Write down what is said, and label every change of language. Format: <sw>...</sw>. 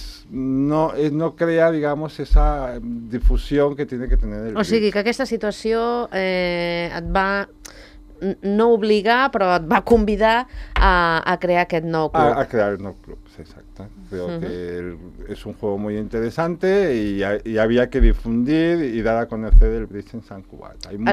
<es>No crea, digamos, esa difusión que tiene que tener el</es> <ca>club. O sigui, que aquesta situació et va, no obligar, però et va convidar a crear aquest nou club. A crear el nou club, exacte.</ca> <es>Creo que es un juego muy interesante y había que difundir y dar a conocer el bridge en Sant Cugat.</es>